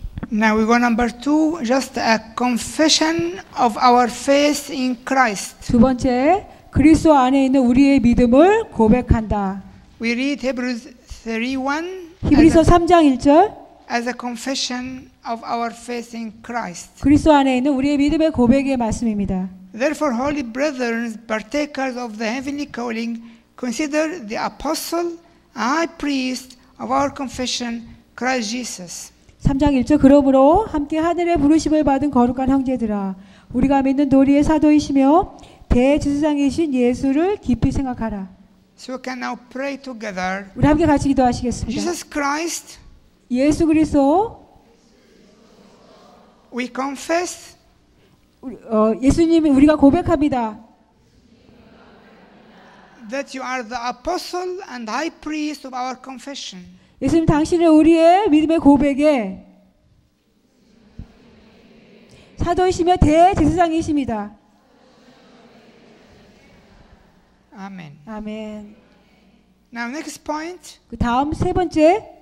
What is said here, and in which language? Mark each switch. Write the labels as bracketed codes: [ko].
[en] Now we go number two, just a confession of our faith in Christ. [ko] 두 번째, 그리스도 안에 있는 우리의 믿음을 고백한다. [en] We read Hebrews 3:1. [ko] 히브리서 3장 1절. [en] As a confession of our faith in Christ. [ko] 그리스도 안에 있는 우리의 믿음의 고백의 말씀입니다. [en] Therefore, holy brethren, partakers of the heavenly calling, consider the apostle, high priest of our confession, Christ Jesus. [ko] 3장 1절 그러므로 함께 하늘의 부르심을 받은 거룩한 형제들아 우리가 믿는 도리의 사도이시며 대제사장이신 예수를 깊이 생각하라. [en] So we can now pray together. [ko] 우리 함께 같이 기도하시겠습니다. [en] Jesus Christ. [ko] 예수 그리스도. [en] We confess. [ko] 예수님 우리가 고백합니다. [en] That you are the apostle and high priest of our confession. [ko] 예수님 당신은 우리의 믿음의 고백에 사도이시며 대제사장이십니다. 아멘. 아멘. [en] Now next point. [ko] 그 다음 세 번째.